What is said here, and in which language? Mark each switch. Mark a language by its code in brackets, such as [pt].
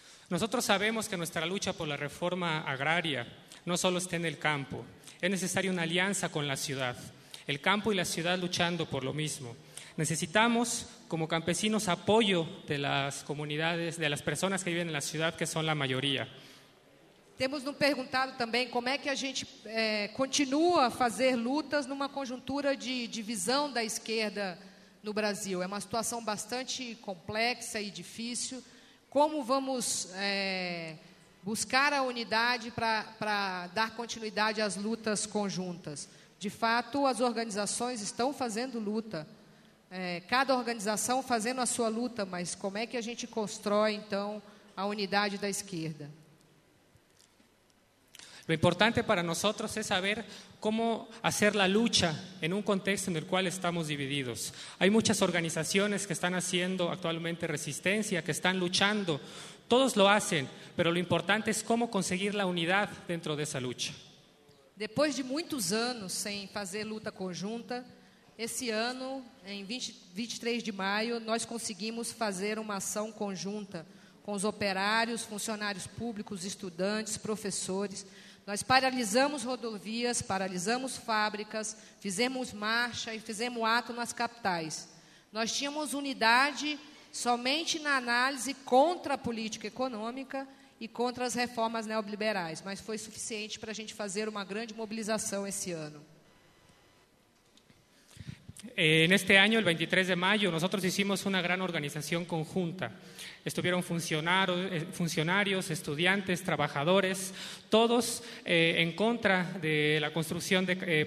[es] Nosotros sabemos que nuestra lucha por la reforma agraria no solo está en el campo. Es necesaria una alianza con la ciudad. El campo y la ciudad luchando por lo mismo. Necesitamos, como campesinos, apoyo de las comunidades, de las personas que viven en la ciudad, que son la mayoría. [pt] Temos nos perguntado também como é que a gente continua a fazer lutas numa conjuntura de divisão da esquerda no Brasil. É uma situação bastante complexa e difícil. Como vamos buscar a unidade para dar continuidade às lutas conjuntas? De fato, as organizações estão fazendo luta. Cada organização fazendo a sua luta, mas como é que a gente constrói, então, a unidade da esquerda? [es] Lo importante para nosotros es saber cómo hacer la lucha en un contexto en el cual estamos divididos. Hay muchas organizaciones que están haciendo actualmente resistencia, que están luchando. Todos lo hacen, pero lo importante es cómo conseguir la unidad dentro de esa lucha. Después de muchos años sin hacer lucha conjunta, este año, en 23 de mayo, nos conseguimos hacer una acción conjunta con los operarios, funcionarios públicos, estudiantes, profesores. [pt] Nós paralisamos rodovias, paralisamos fábricas, fizemos marcha e fizemos ato nas capitais. Nós tínhamos unidade somente na análise contra a política econômica e contra as reformas neoliberais, mas foi suficiente para a gente fazer uma grande mobilização esse ano. [es] En este año, el 23 de mayo, nosotros hicimos una gran organización conjunta. Estuvieron funcionarios, estudiantes, trabajadores, todos en contra de la construcción de...